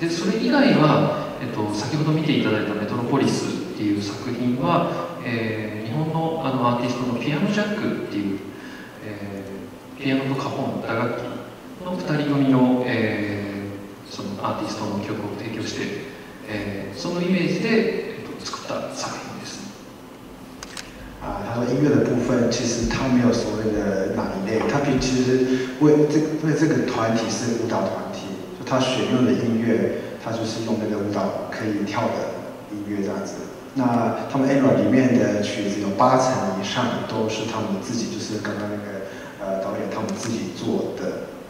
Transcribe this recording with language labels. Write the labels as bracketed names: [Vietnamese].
[Japanese] で、それ以外は、先ほど見ていただいたメトロポリスっていう作品は、日本のアーティストのピアノジャックっていう、ピアノとカホン打楽器の2人組の、そのアーティストの曲を提供して、そのイメージで、作った作品です。 [Chinese] 他の音乐的部分其实他没有所谓的哪一类，他其实为这个团体是舞蹈团体，就他选用的音乐，他就是用那个舞蹈可以跳的音乐这样子。那他们 ENRA 里面的曲子有八成以上都是他们自己，就是刚刚那个导演他们自己做的。